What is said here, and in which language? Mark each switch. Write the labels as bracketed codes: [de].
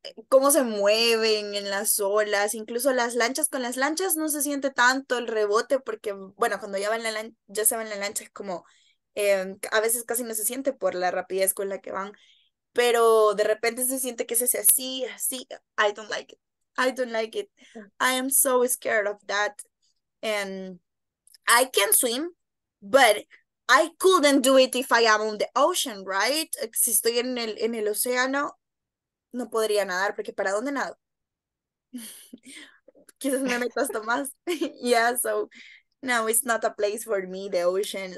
[es] Cómo se mueven en las olas, incluso las lanchas, con las lanchas no se siente tanto el rebote, porque bueno, cuando ya se va en la lancha, es como, a veces casi no se siente por la rapidez con la que van, pero de repente se siente que se hace así, así. [en] I don't like it. I don't like it. I am so scared of that. And I can swim, but I couldn't do it if I am on the ocean, right? [es] Si estoy en el océano, no podría nadar, porque ¿para dónde nado? Quizás me meto hasta más. [en] Yeah, so, no, it's not a place for me, the ocean.